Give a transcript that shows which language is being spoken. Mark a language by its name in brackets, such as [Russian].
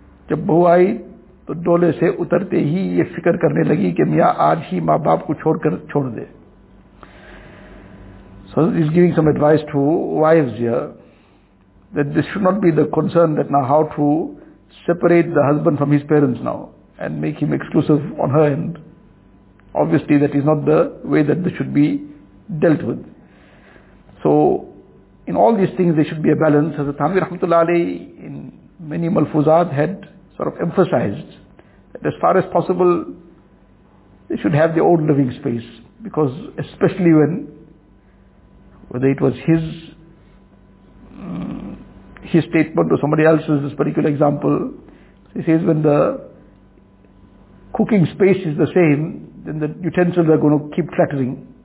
[Urdu] جب بہو آئی تو ڈولے سے اترتے ہی یہ فکر کرنے لگی کہ میاں آج ہی ماں باپ کو چھوڑ دے. [English] So he's giving some advice to wives here that this should not be the concern that now how to separate the husband from his parents now and make him exclusive on her end. Obviously that is not the way that this should be dealt with. So in all these things they should be a balance. Hazrat Thanvi رحمۃ اللہ علیہ in many ملفوظات had sort of emphasized that as far as possible they should have their own living space, because especially when whether it was his statement or somebody else's this particular example, he says when the cooking space is the same, then the utensils are going to keep clattering.